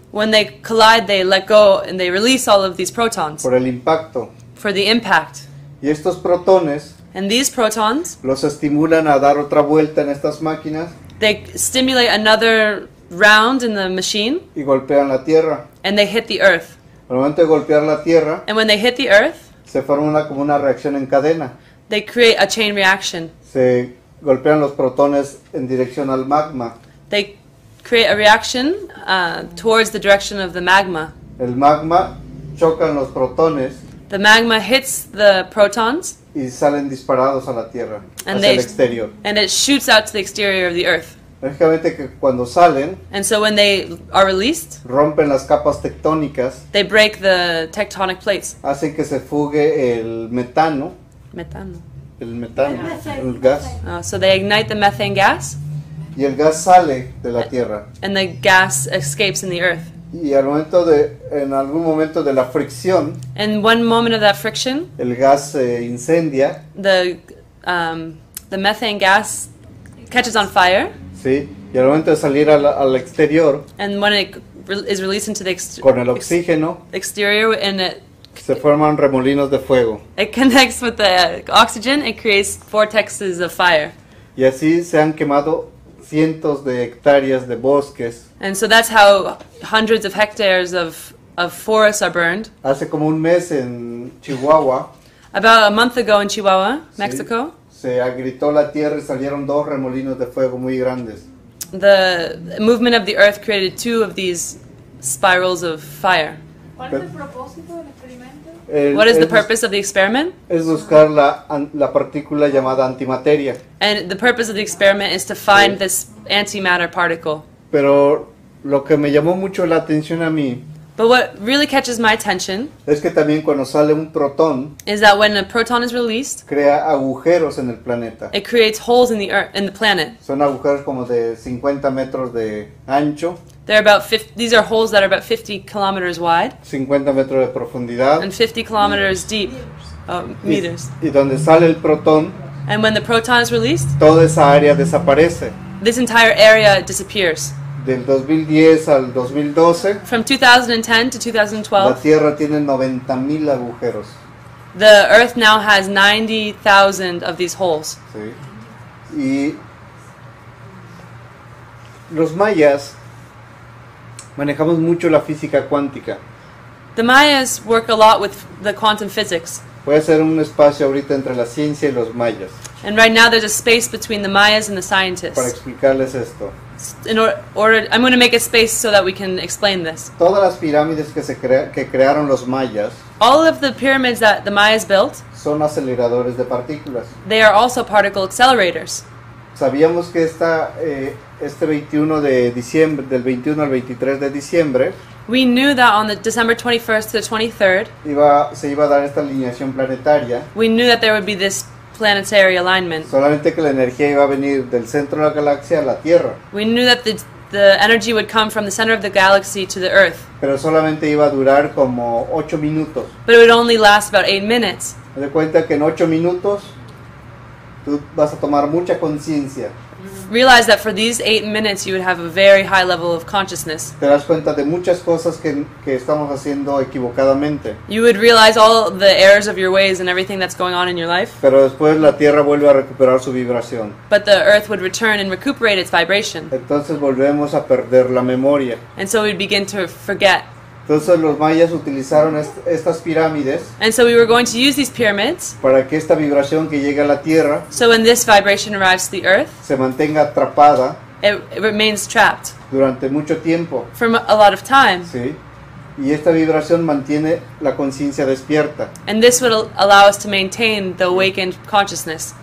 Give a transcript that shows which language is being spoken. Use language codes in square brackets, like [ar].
[en] When they collide, they let go and they release all of these protons. [es] Por el impacto. [en] For the impact. [es] Y estos protones. [en] And these protons. [es] Los estimulan a dar otra vuelta en estas máquinas. [en] They stimulate another round in the machine. [es] Y golpean la tierra. [en] And they hit the earth. [es] Al momento de golpear la tierra. [en] And when they hit the earth. [es] Se forma como una reacción en cadena. [en] They create a chain reaction. [es] Se golpean los protones en dirección al magma. [en] They create a reaction towards the direction of the magma. [es] El magma choca en los protones. [en] The magma hits the protons. [es] Y salen disparados a la tierra, hacia el exterior. [en] And it shoots out to the exterior of the earth. [es] Lógicamente que cuando salen. [en] And so when they are released. [es] Rompen las capas tectónicas. [en] They break the tectonic plates. [es] Hacen que se fugue el metano. Metano. El metano, el gas. [en] So they ignite the methane gas. [es] Y el gas sale de la tierra. [en] And the gas escapes in the earth. [es] Y al momento de, en algún momento de la fricción. [en] And one moment of that friction. [es] El gas se incendia. [en] The methane gas catches on fire. [es] Sí. Y al momento de salir al exterior. [en] And when it is released into the exterior. [es] Con el oxígeno. [en] Exterior and it. [es] Se forman remolinos de fuego. [en] It connects with the oxygen. It creates vortexes of fire. [es] Y así se han quemado cientos de hectáreas de bosques. [en] And so that's how hundreds of hectares of forests are burned. [es] Hace como un mes en Chihuahua. [en] About a month ago in Chihuahua, Mexico. [es] Sí, se agritó la tierra y salieron dos remolinos de fuego muy grandes. [en] The movement of the earth created two of these spirals of fire. [es] ¿Cuál es el propósito del experimento? [en] What is the purpose of the experiment? [es] Es buscar la partícula llamada antimateria. [en] And the purpose of the experiment is to find this antimatter particle. [es] Pero lo que me llamó mucho la atención a mí. [en] But what really catches my attention. [es] Es que también cuando sale un protón. [en] Is that when a proton is released. [es] Crea agujeros en el planeta. [en] It creates holes in the earth, in the planet. [es] Son agujeros como de 50 metros de ancho. [en] They're about 50, these are holes that are about 50 kilometers wide. [es] 50 metros de profundidad. [en] And 50 kilometers deep. Meters. [es] Y donde sale el protón. [en] And when the proton is released. [es] Toda esa área desaparece. [en] This entire area disappears. [es] Del 2010 al 2012. [en] From 2010 to 2012. [es] La Tierra tiene 90,000 agujeros. [en] The Earth now has 90,000 of these holes. [es] Sí. Y los mayas. Manejamos mucho la física cuántica. [en] The Mayas work a lot with the quantum physics. [es] Voy a hacer un espacio ahorita entre la ciencia y los mayas. [en] And right now there's a space between the Mayas and the scientists. [es] Para explicarles esto. [en] I'm going to make a space so that we can explain this. [es] Todas las pirámides que crearon los mayas. [en] All of the pyramids that the Mayas built. [es] Son aceleradores de partículas. [en] They are also particle accelerators. [es] Sabíamos que este 21 de diciembre, del 21 al 23 de diciembre. [en] We knew that on the December 21st to the 23rd. [es] Se iba a dar esta alineación planetaria. [en] We knew that there would be this planetary alignment. [es] Solamente que la energía iba a venir del centro de la galaxia a la Tierra. [en] We knew that the the energy would come from the center of the galaxy to the Earth. [es] Pero solamente iba a durar como 8 minutos. [en] But it would only last about 8 minutes. [es] De cuenta que en 8 minutos tú vas a tomar mucha conciencia. [en] Realize that for these 8 minutes you would have a very high level of consciousness. [es] Te das cuenta de muchas cosas que estamos haciendo equivocadamente. [en] You would realize all the errors of your ways and everything that's going on in your life. [es] Pero después la Tierra vuelve a recuperar su vibración. [en] But the Earth would return and recuperate its vibration. [es] Entonces volvemos a perder la memoria. [en] And so we'd begin to forget. [es] Entonces los mayas utilizaron estas pirámides. [en] And so we were going to use these pyramids. [es] Para que esta vibración que llega a la Tierra. [en] So when this vibration arrives to the Earth. [es] Se mantenga atrapada. [en] It remains trapped. [es] Durante mucho tiempo. [en] For a lot of time. [es] Sí. Y esta vibración mantiene la conciencia despierta. [en] And this would allow us to maintain the awakened consciousness.